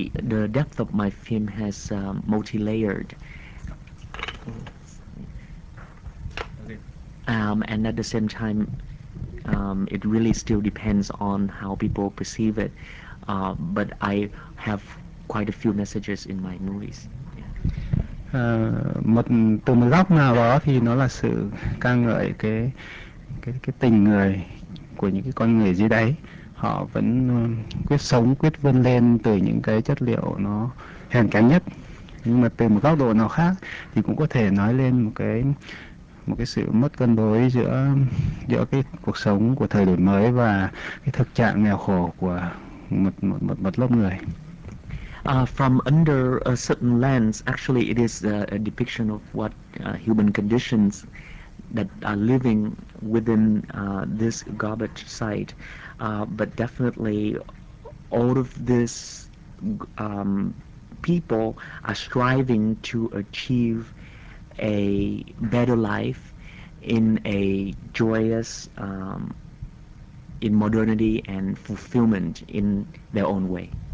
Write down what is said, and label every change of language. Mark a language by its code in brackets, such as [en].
[en] The depth of my film has multi-layered. And at the same time, it really still depends on how people perceive it. But I have quite a few messages in my movies. [vi] Một từ một góc nào đó thì nó là sự ca ngợi cái tình người của những cái con người dưới đáy. Họ vẫn quyết sống, quyết vươn lên từ những cái chất liệu nó hèn kém nhất. Nhưng mà từ một góc độ nào khác thì cũng có thể nói lên một cái sự mất cân đối giữa cái cuộc sống của thời đổi mới và cái thực trạng nghèo khổ của một lớp người. [en] From under a certain lens, actually it is a depiction of what human conditions that are living within this garbage site. But definitely all of this people are striving to achieve a better life in a joyous in modernity and fulfillment in their own way.